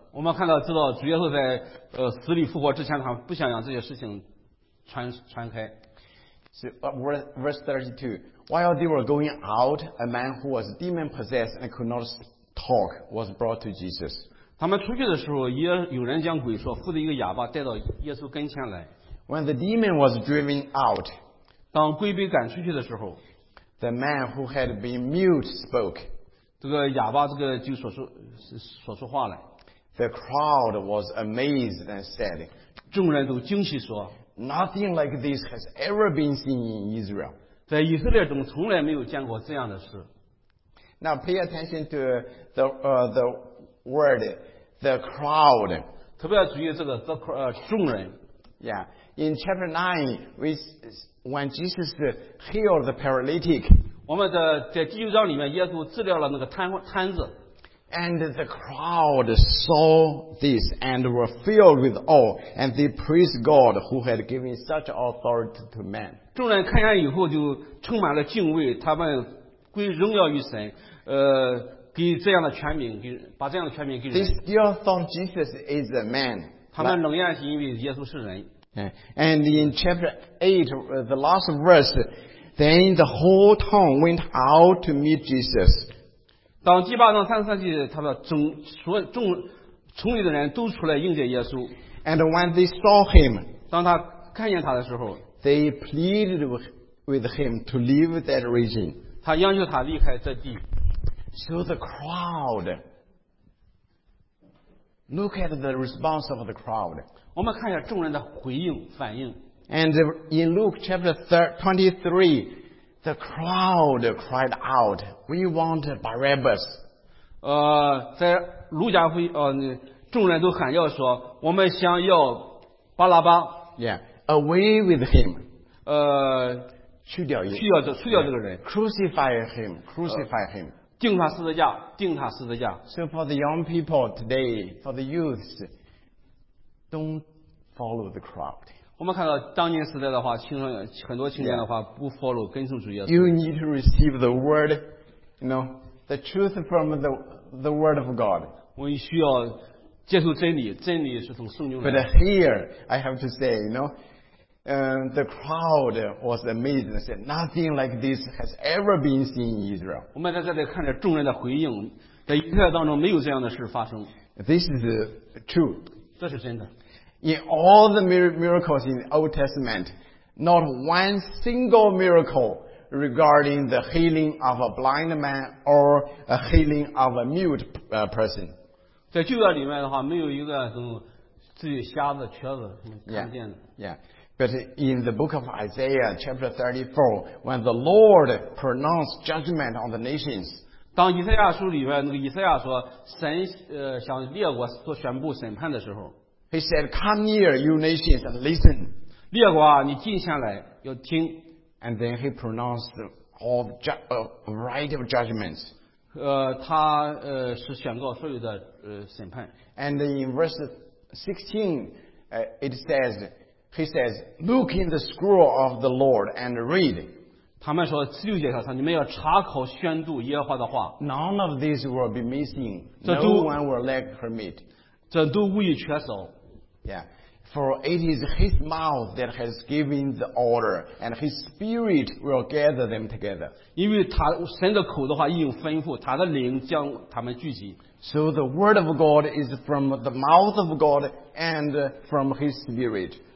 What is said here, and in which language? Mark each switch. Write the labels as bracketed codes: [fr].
[zh] 我们看到知道主耶稣在死里复活之前，他不想让这些事情传开。 [en] So, verse 32, while they were going out, a man who was demon possessed and could not talk was brought to Jesus. [zh] 他们出去的时候，也有人将鬼说附着一个哑巴带到耶稣跟前来。 [en] When the demon was driven out, [zh] 当鬼被赶出去的时候 [en] ，The man who had been mute spoke. [zh] 这个哑巴这个就说出话来。 [en] The crowd was amazed and said. [zh] 众人都惊奇说 [en] ，Nothing like this has ever been seen in Israel. [zh] 在以色列中从来没有见过这样的事。 [en] Now pay attention to the word the crowd. [zh] 特别要注意这个众人。 [en] Yeah. In chapter 9, when Jesus healed the paralytic, [zh] 我们在第九章里面，耶稣治疗了那个瘫子 [en] and the crowd saw this and were filled with awe, and they praised God who had given such authority to man. [zh] 众人看见以后就充满了敬畏，他们归荣耀于神，给这样的权柄，把这样的权柄给人。 [en] They still thought Jesus is a man. [zh] 他们仍然是因为耶稣是人。 [en] And in chapter 8, the last verse, then the whole town went out to meet Jesus. [zh] 当第八章三十三节，他们众城里的人都出来迎接耶稣。 [en] And when they saw him, [zh] 当他看见他的时候 [en] ，they pleaded with him to leave that region. [zh] 他央求他离开这地。 [en] So the crowd, look at the response of the crowd. [zh] 我们看一下众人的回应反应。 [en] And in Luke chapter 23, the crowd cried out, "We want Barabbas." [zh] 在路加福众人都喊叫说，我们想要巴拉巴。 [en] Yeah, away with him. [zh] 去掉这个人。 [en] Yeah, crucify him. Crucify him. [zh] 钉他十字架，钉他十字架。 [en] So for the young people today, for the youths, don't follow the crowd. [zh] 我们看到当年时代的话，很多青年的话不 follow 跟从主耶稣。 [en] You need to receive the word, you know, the truth from the word of God. [zh] 我们需要接受真理，真理是从圣经来的。 [en] But here I have to say, you know, the crowd was amazed and said, nothing like this has ever been seen in Israel. [zh] 我们在这里看着众人的回应，在以色列当中没有这样的事发生。 [en] This is true. [zh] 这是真的。 [en] In all the miracles in the Old Testament, not one single miracle regarding the healing of a blind man or a healing of a mute person. [zh] 在旧约里面的话，没有一个这种治愈瞎子、瘸子、看不见的。 [en] Yeah. But in the book of Isaiah, chapter 34, when the Lord pronounced judgment on the nations. [zh] 当以赛亚书里面那个以赛亚说神向列国所宣布审判的时候。 [en] He said, come near, you nations, and listen. [zh] 列国啊，你静下来，要听。 [en] And then he pronounced all the variety of judgments. [zh] 他是宣告所有的审判。 [en] And in verse 16, it says, he says, look in the scroll of the Lord and read. [zh] 他们说十六节上说，你们要查考宣读耶和华的话。 [en] None of these will be missing. No one will lack her meat. [zh] 这都无一缺少。 [en] Yeah. For it is his mouth that has given the order, and his spirit will gather them together. [zh] 因为他神的口的话已经吩咐，他的灵将他们聚集。 [en] So the word of God is from the mouth of God and from his spirit.